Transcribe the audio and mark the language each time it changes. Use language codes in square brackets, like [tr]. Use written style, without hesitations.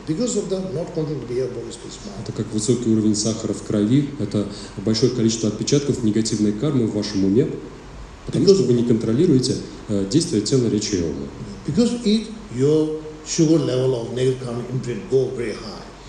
[en] Because of that, not control the behavior of body space mind. [ru] Это как высокий уровень сахара в крови, это большое количество отпечатков негативной кармы в вашем уме, потому что вы не контролируете действия тела, речи и ума. [en] Because it, your sugar level of negative karma entry go very high.